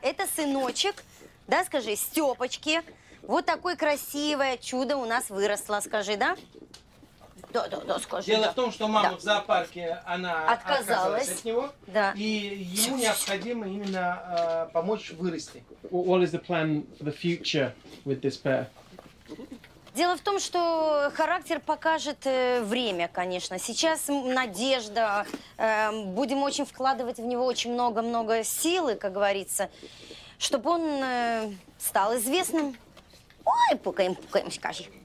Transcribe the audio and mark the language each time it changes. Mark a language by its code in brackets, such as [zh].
[ru] Это сыночек, да, скажи, Стёпочки. Вот такое красивое чудо у нас выросло, скажи, да? Да, скажи, дело да. в том, что мама да. в зоопарке она отказалась от него, да. и ему необходимо именно помочь вырасти. [en] What is the plan for the future with this bear? [ru] Дело в том, что характер покажет время, конечно. Сейчас надежда, будем очень вкладывать в него очень много силы, как говорится, чтобы он стал известным. Ой, пукаем, скажи.